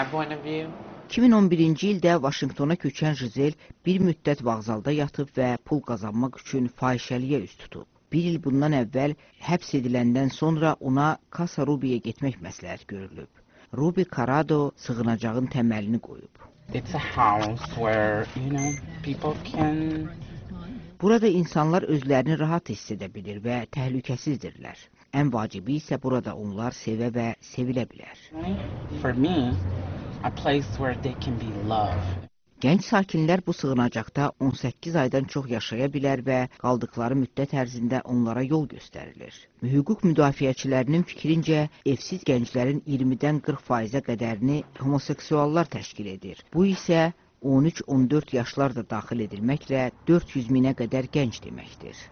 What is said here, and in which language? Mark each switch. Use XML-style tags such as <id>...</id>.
<az>2011-ci ildə Vaşinqtona köçən Jizel bir müddət vağzalda yatıb və pul qazanmaq üçün fahişəliyə üz tutub. Bir il bundan əvvəl həbs ediləndən sonra ona Casa Rubia getmək məsləhət görülüb. Ruby Carrado sığınacağın təməlini qoyub.</az> <en>It's a house where, you know, people can...</en> <az>Burada insanlar özlərini rahat hiss edə bilir və təhlükəsizdirlər. Ən vacibi isə burada onlar sevə və sevilə bilər.</az> <en>For me, a place where they can be loved.</en> <az>Gənc sakinlər bu sığınacaqda 18 aydan çox yaşaya bilər və qaldıqları müddət ərzində onlara yol göstərilir. Hüquq müdafiəçilərinin fikrincə, evsiz gənclərin 20-dən 40%-ə qədərini homoseksuallar təşkil edir. Bu isə 13-14 yaşlarda daxil edilməklə 400 minə qədər gənc deməkdir.</az>